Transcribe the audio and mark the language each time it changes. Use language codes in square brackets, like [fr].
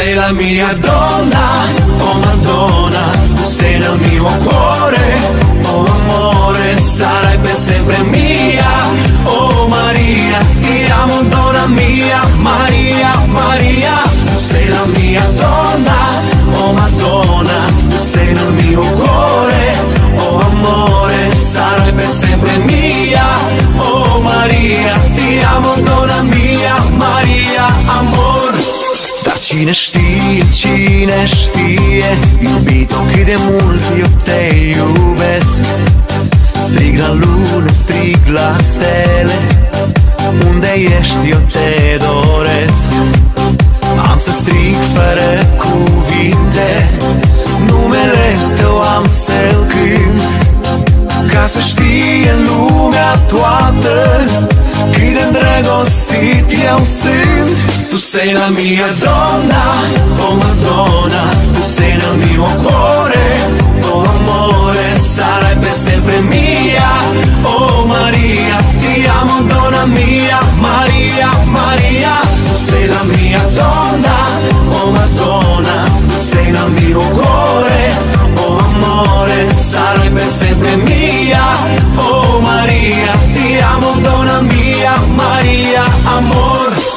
[it] mia donna, oh Madonna, sei nel mio cuore, oh amore, sarai per sempre mia, oh Maria, ti amo donna mia, Maria, Maria, sei la mia donna, oh Madonna, sei nel mio cuore, oh amore, sarai per sempre mia, oh Maria, ti amo donna mia, Maria, amore. [ro] Cine știe, cine știe, iubito cât de mult eu te iubesc. Strig la lună, strig la stele, unde ești eu te doresc. Am să strig fără cuvinte, numele tău am să-l cânt. Ca să știe lumea toată, cât de îndrăgostit eu sunt. [it] Tu sei la mia donna, oh Madonna, tu sei nel mio cuore, oh amore, sarai per sempre mia, oh Maria, ti amo donna mia, Maria, Maria. Tu sei la mia donna, oh Madonna, tu sei nel mio cuore, oh amore, sarai per sempre mia, oh Maria, ti amo donna mia, Maria, amor.